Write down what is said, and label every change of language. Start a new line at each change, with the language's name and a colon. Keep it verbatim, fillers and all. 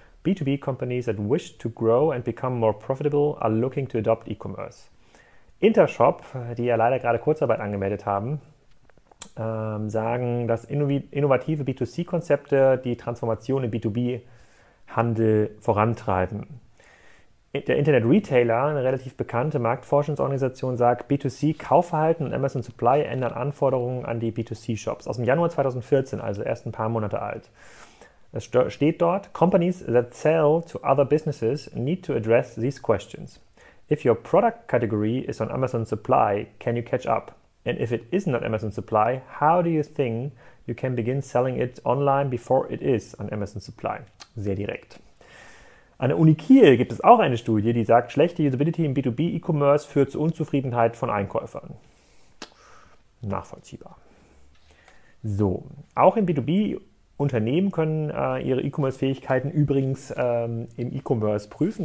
English: B zwei B companies that wish to grow and become more profitable are looking to adopt e-commerce.
German: Intershop, die ja leider gerade Kurzarbeit angemeldet haben, ähm, sagen, dass innovative B zwei C Konzepte die Transformation im B zwei B Handel vorantreiben. Der Internet-Retailer, eine relativ bekannte Marktforschungsorganisation, sagt, B zwei C Kaufverhalten und Amazon Supply ändern Anforderungen an die B zwei C Shops. Aus dem Januar zweitausendvierzehn, also erst ein paar Monate alt. Es steht dort,
English: Companies that sell to other businesses need to address these questions. If your product category is on Amazon Supply, can you catch up? And if it is not Amazon Supply, how do you think you can begin selling it online before it is on Amazon Supply?
German: Sehr direkt. An der Uni Kiel gibt es auch eine Studie, die sagt, schlechte Usability im B zwei B E-Commerce führt zu Unzufriedenheit von Einkäufern. Nachvollziehbar. So, auch im B zwei B Unternehmen können äh, ihre E-Commerce-Fähigkeiten übrigens ähm, im E-Commerce prüfen.